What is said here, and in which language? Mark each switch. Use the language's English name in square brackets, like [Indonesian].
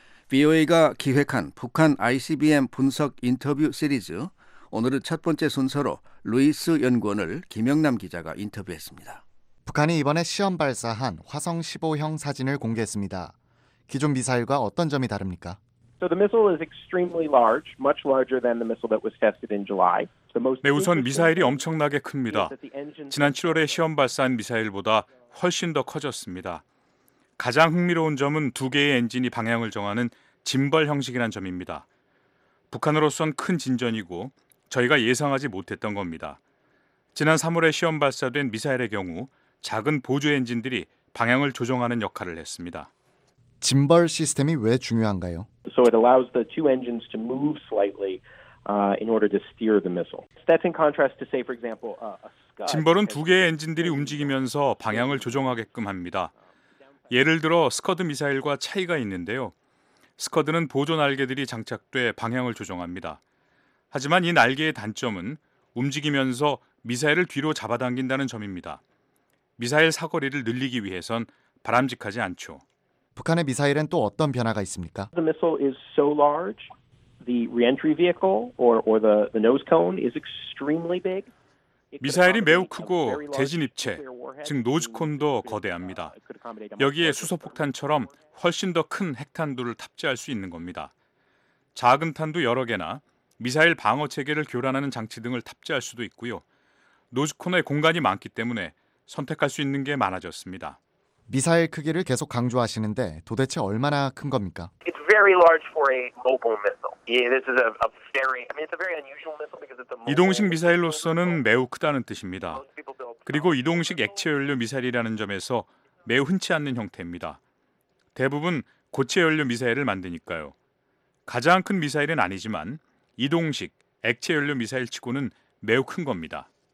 [Korean] BOA가 기획한 북한 ICBM 분석 인터뷰 시리즈 오늘은 첫 번째 순서로 루이스 연구원을 김영남 기자가 인터뷰했습니다. 북한이 이번에 시험 발사한 화성 15형 사진을 공개했습니다. 기존 미사일과 어떤 점이 다릅니까? [English] So the missile is extremely large, much larger than the missile that was tested in July. [Korean] 네, 우선 미사일이 엄청나게 큽니다. 지난 7월에 시험 발사한 미사일보다 훨씬 더 커졌습니다. 가장 흥미로운 점은 두 개의 엔진이 방향을 정하는 짐벌 형식이란 점입니다. 북한으로선 큰 진전이고 저희가 예상하지 못했던 겁니다. 지난 3월에 시험 발사된 미사일의 경우 작은 보조 엔진들이 방향을 조정하는 역할을 했습니다. 짐벌 시스템이 왜 중요한가요? [English] So it allows the two engines to move slightly in order to steer the missile. That's in contrast to say for example a Scud. [Korean] 짐벌은 두 개의 엔진들이 움직이면서 방향을 조정하게끔 합니다. 예를 들어 스커드 미사일과 차이가 있는데요. 스커드는 보조 날개들이 장착돼 방향을 조정합니다. 하지만 이 날개의 단점은 움직이면서 미사일을 뒤로 잡아당긴다는 점입니다. 미사일 사거리를 늘리기 위해선 바람직하지 않죠. 북한의 미사일엔 또 어떤 변화가 있습니까? [English] The missile is so large, the re-entry vehicle or the nose cone is extremely big. [Korean] 미사일이 매우 크고 재진입체, 즉 노즈콘도 거대합니다. 여기에 수소폭탄처럼 훨씬 더 큰 핵탄두를 탑재할 수 있는 겁니다. 작은 탄두 여러 개나 미사일 방어 체계를 교란하는 장치 등을 탑재할 수도 있고요. 노즈콘의 공간이 많기 때문에 선택할 수 있는 게 많아졌습니다. 미사일 크기를 계속 강조하시는데 도대체 얼마나 큰 겁니까? [English] It's very large for a mobile missile. Yeah, this is a very, I mean, it's a very unusual missile because it's a mobile. [Korean] 이동식 미사일로서는 매우 크다는 뜻입니다. 그리고 이동식 액체 연료 미사일이라는 점에서 매우 흔치 않는 형태입니다. 대부분 고체 연료 미사일을 만드니까요. 가장 큰 미사일은 아니지만 이동식 액체 연료 미사일치고는 매우 큰 겁니다.